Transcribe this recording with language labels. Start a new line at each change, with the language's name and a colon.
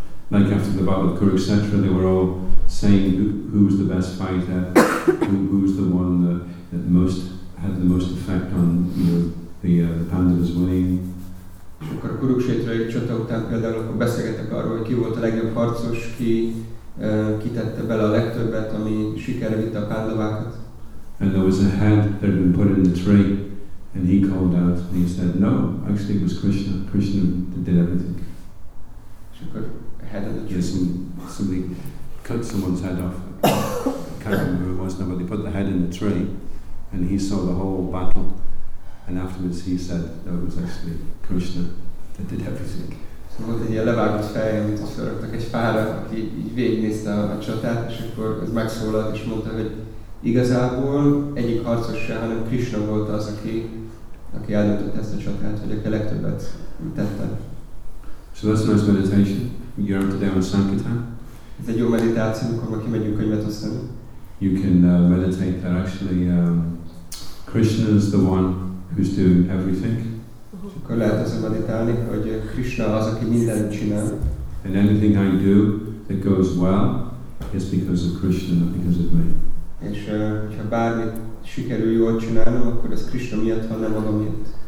English: Like after the battle of Kurukshetra, they were all saying who's the best fighter, who's the one that most had the most effect on the Pandavas winning.
Hungarian: És akkor a Kurukshetrai csata után például akkor beszélgettek arról, hogy ki volt a legjobb harcos, ki tette bele a legtöbbet, ami sikerre vitte a Pandavákat.
English: And there was a head that had been put in the tree, and he called out and he said, no, actually it was Krishna that did everything.
Hungarian: És akkor
English: head of the tree. Yes, and somebody cut someone's head off. I can't remember who it was now, but they put the head in the tree and he saw the whole battle. And afterwards he said that it was actually Krishna that did everything.
Hungarian: So volt egy ilyen levágott fej, amit ott felraktak egy fára, aki így végignézte a csatát, és akkor ez megszólalt, és mondta, hogy igazából egyik harcos se, hanem Krishna volt az, aki eldöntött ezt a csatát, hogy aki a legtöbbet tette.
English: So that's a nice meditation. You're out today on Sankirtan.
Hungarian: Ez egy jó meditáció, amikor ma kimegyünk könyvet osztani.
English: You can meditate that actually Krishna is the one who's doing everything.
Hungarian: Akkor lehet azon meditálni, hogy Krishna az, aki mindent csinál.
English: And anything I do that goes well is because of Krishna, not because of me.
Hungarian: És ha bármit sikerül jól csinálnom, akkor ez Krishna miatt van, nem magam miatt.